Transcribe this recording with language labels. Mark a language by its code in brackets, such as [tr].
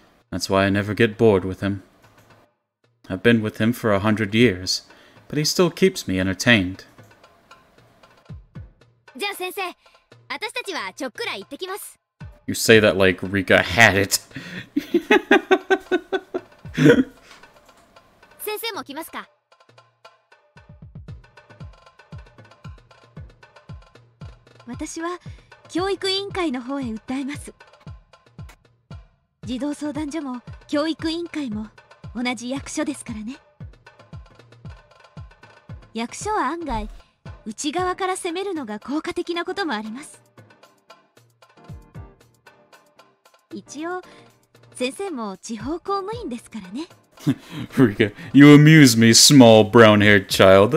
[en] That's why I never get bored with him. I've been with him for 100 years, but he still keeps me entertained. [ja] じゃあ先生、私たちはちょっくら行ってきます。 [en] You say that like Rika had it. [ja] 先生も来ますか？私は教育委員会の方へ訴えます。児童相談所も教育委員会も同じ役所ですからね。役所は案外内側から攻めるのが効果的なこともあります。一応先生も地方公務員ですからね。 [en] Rika, you amuse me, small brown-haired child.